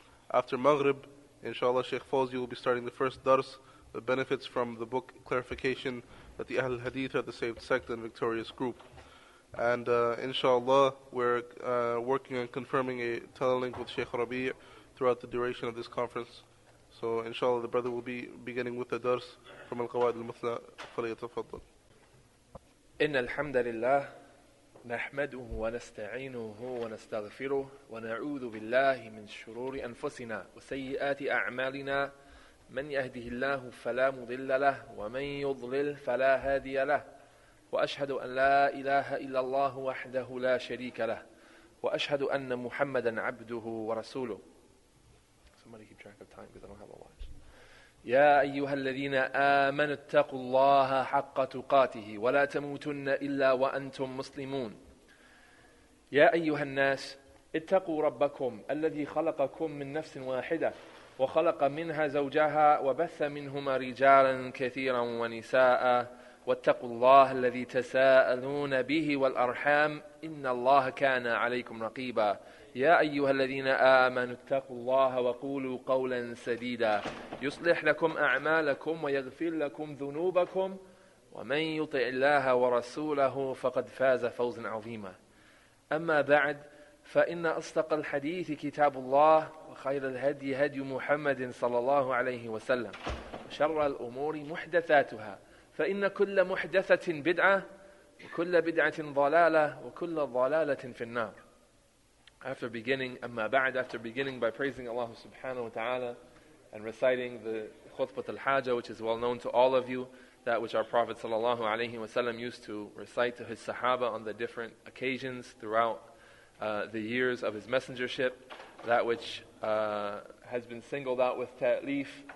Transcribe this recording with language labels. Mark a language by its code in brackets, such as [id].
[en] After Maghrib, inshallah, Shaykh Fawzi will be starting the first dars, the benefits from the book clarification that the Ahlul Hadith are the saved sect and victorious group. And inshallah, we're working on confirming a telelink with Shaykh Rabee throughout the duration of this conference. So inshallah, the brother will be beginning with the dars from Al-Qawaid Al-Muthla, falyatafaddal. [ar] إن الحمد لله نحمده ونستعينه ونستغفره ونعوذ بالله من شرور أنفسنا وسيئات أعمالنا من يهده الله فلا مضل له ومن يضلل فلا هادي له وأشهد أن لا إله إلا الله وحده لا شريك له وأشهد أن محمدا عبده ورسوله. [en] Somebody keep track of time because I don't have a watch. [ar] يا أيها الذين آمنوا اتقوا الله حق تقاته ولا تموتن إلا وأنتم مسلمون. يا أيها الناس اتقوا ربكم الذي خلقكم من نفس واحدة وخلق منها زوجها وبث منهما رجالا كثيرا ونساء واتقوا الله الذي تساءلون به والأرحام إن الله كان عليكم رقيبا. يا أيها الذين آمنوا اتقوا الله وقولوا قولا سديدا يصلح لكم أعمالكم ويغفر لكم ذنوبكم ومن يطع الله ورسوله فقد فاز فوزا عظيما. أما بعد فإن أصدق الحديث كتاب الله وخير الهدي هدي محمد صلى الله عليه وسلم وشر الأمور محدثاتها فإن كل محدثة بدعة وكل بدعة ضلالة وكل ضلالة في النار. [en] After beginning, amma ba'd, after beginning by praising Allah subhanahu wa ta'ala and reciting the khutbat al-haja, which is well known to all of you, that which our Prophet sallallahu alayhi wa sallam used to recite to his sahaba on the different occasions throughout the years of his messengership, that which has been singled out with ta'lif,